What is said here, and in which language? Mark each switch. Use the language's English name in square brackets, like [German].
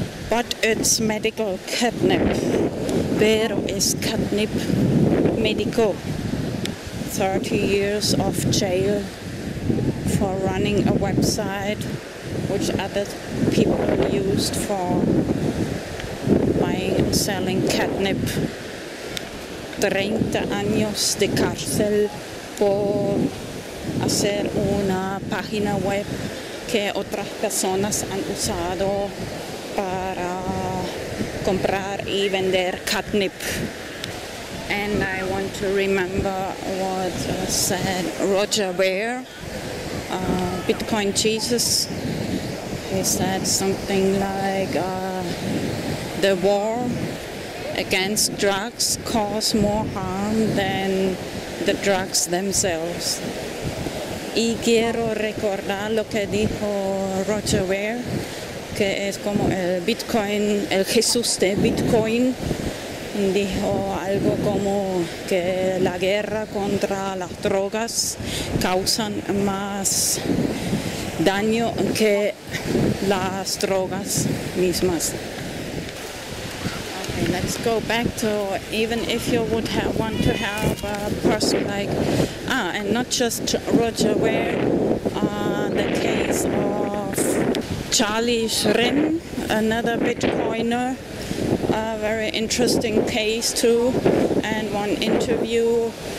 [English] But it's medical catnip. [Spanish] Pero es catnip médico. [English] 30 years of jail for running a website which other people used for buying and selling catnip. [Spanish] 30 años de cárcel por hacer una página web que otras personas han usado para comprar y vender catnip. [English] And I want to remember what said Roger Ver, Bitcoin Jesus. He said something like, the war against drugs cause more harm than the drugs themselves. [Spanish] Y quiero recordar lo que dijo Roger Ver, que es como el Bitcoin, el Jesús de Bitcoin. Dijo algo como que la guerra contra las drogas causan más daño que las drogas mismas. [English] Okay, let's go back to, even if you would have want to have a person like, and not just Roger Ware, the case of Charlie Shrim, another Bitcoiner, a very interesting case too, and one interview.